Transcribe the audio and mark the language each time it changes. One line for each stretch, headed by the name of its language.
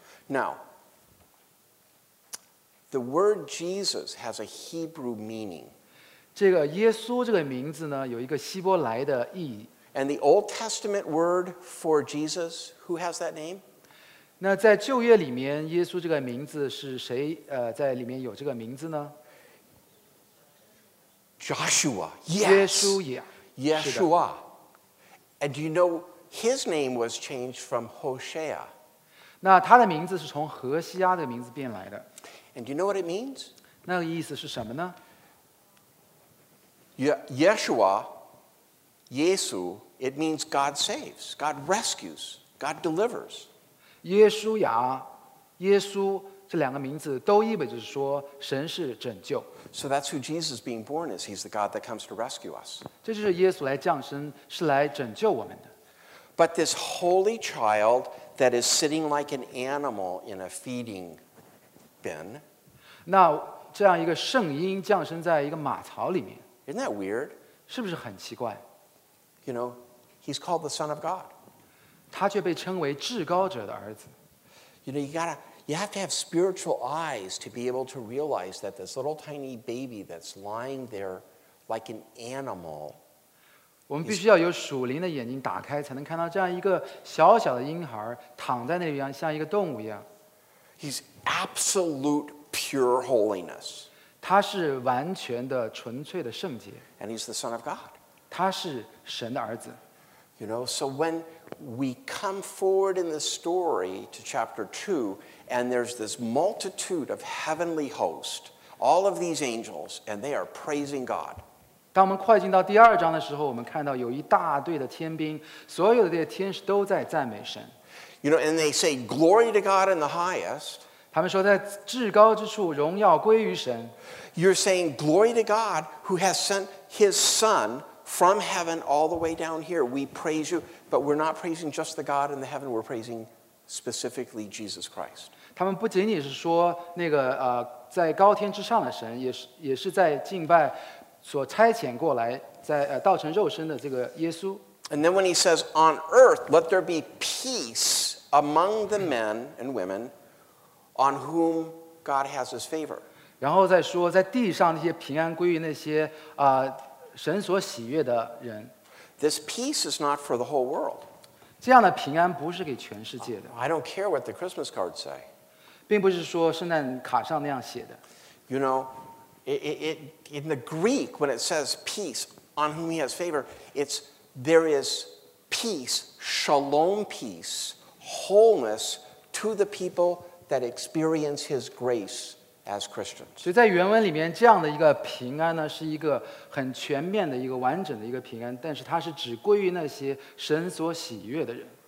English: Now, the word Jesus has a Hebrew meaning.
Chinese: 这个耶稣这个名字呢有一个希伯来的意义
English: And the Old Testament word for Jesus, who has that name?
Chinese: 那在旧约里面耶稣这个名字是谁在里面有这个名字呢
English: Joshua, yes!
Chinese: 耶稣也
English: Yeshua. And do you know his name was changed from Hosea?
Chinese: 那他的名字是从何西阿的名字变来的
English: And do you know what it means?
Chinese: 那个意思是什么呢
English: Yeshua, Yesu, it means God saves, God rescues, God delivers.
Chinese: 耶稣雅、耶稣这两个名字都意味着说神是拯救。
English: So that's who Jesus being born is. He's the God that comes to rescue us.
Chinese: 这就是耶稣来降生，是来拯救我们的。
English: But this holy child that is sitting like an animal in a feeding bin.
Chinese: 那这样一个圣婴降生在一个马槽里面。
English: Isn't that weird?
Chinese: 是不是很奇怪
English: You know, he's called the Son of God.
Chinese: 他却被称为至高者的儿子
English: You know, you have to have spiritual eyes to be able to realize that this little tiny baby that's lying there like an animal.
Chinese: 我们必须要有属灵的眼睛打开才能看到这样一个小小的婴孩躺在那边像一个动物一样
English: He's absolute pure holiness.
Chinese: 他是完全的纯粹的圣洁
English: And he's the son of God
Chinese: 他是神的儿子
English: You know, so when we come forward in the story to chapter 2 and there's this multitude of heavenly host all of these angels and they are praising God
Chinese: 当我们快进到第二章的时候我们看到有一大队的天兵所有的这些天使都在赞美神
English: You know, and they say glory to God in the highest
Chinese: 他们说在至高之处荣耀归于神
English: You're saying glory to God who has sent his son from heaven all the way down here. We praise you, but we're not praising just the God in the heaven, we're praising specifically Jesus Christ.
Chinese: 他们不仅仅是说那个在高天之上的神也是在敬拜所差遣过来在道成肉身的这个耶稣
English: And then when he says on earth, let there be peace among the men and womenOn whom God has His favor.
Chinese: 然后再说，在地上那些平安归于那些神所喜悦的人。
English: This peace is not for the whole world.
Chinese: 这样的平安不是给全世界的。
English: I don't care what the Christmas cards say.
Chinese: 并不是说圣诞卡上那样写的。
English: You know, in the Greek, when it says peace, on whom he has favor, it's there is peace, shalom peace, wholeness to the people that experience his grace. As Christians.
Chinese: 所以在原文里面这样的一个平安呢是一个很全面的一个完整的一个平安但是它是只归于那些神所喜悦的人